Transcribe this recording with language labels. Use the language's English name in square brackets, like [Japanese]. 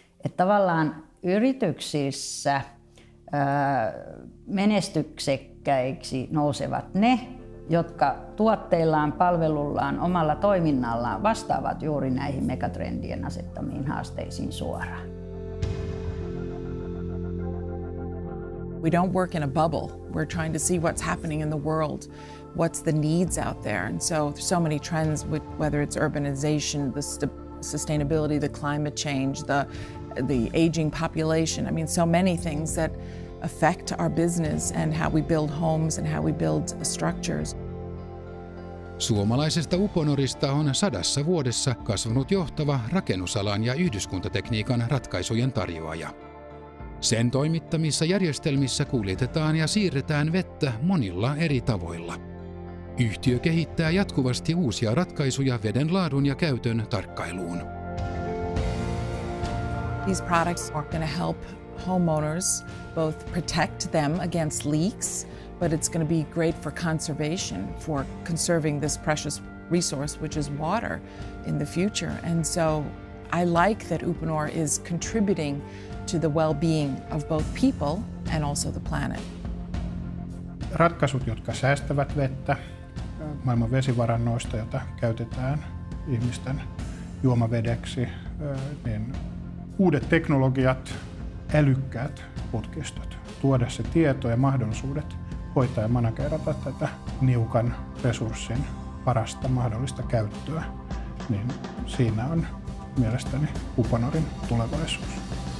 [Finnish] Että tavallaan yrityksissä menestyksekkäiksi nousevat ne, jotka tuotteillaan, palvelullaan, omalla toiminnallaan vastaavat juuri näihin megatrendien asettamiin haasteisiin suoraan. [English] We don't work in a bubble. We're trying to see what's happening in the world. What's the needs out there? And so many trends, whether it's urbanization, the sustainability, the climate change, the aging population. I mean, so many things that affect our business and how we build homes and how we build structures. [Finnish] Suomalaisesta Uponorista on 100 vuodessa kasvanut johtava rakennusalan ja yhdyskuntatekniikan ratkaisujen tarjoaja. Sen toimittamissa järjestelmissä kuljetetaan ja siirretään vettä monilla eri tavoilla. Yhtiö kehittää jatkuvasti uusia ratkaisuja veden laadun ja käytön tarkkailuun. [English] These products are going to help homeowners both protect them against leaks, but it's going to be great for conservation, for conserving this precious resource, which is water, in the future. And so I like that Uponor is contributing to the well-being of both people and also the planet. [Finnish] Ratkaisut, jotka säästävät vettä maailman vesivarannoista, jota käytetään ihmisten juomavedeksi, niin uudet teknologiat, älykkäät putkistot, tuoda se tieto ja mahdollisuudet hoitaa ja manageerata tätä niukan resurssin parasta mahdollista käyttöä, niin siinä on mielestäni Uponorin tulevaisuus.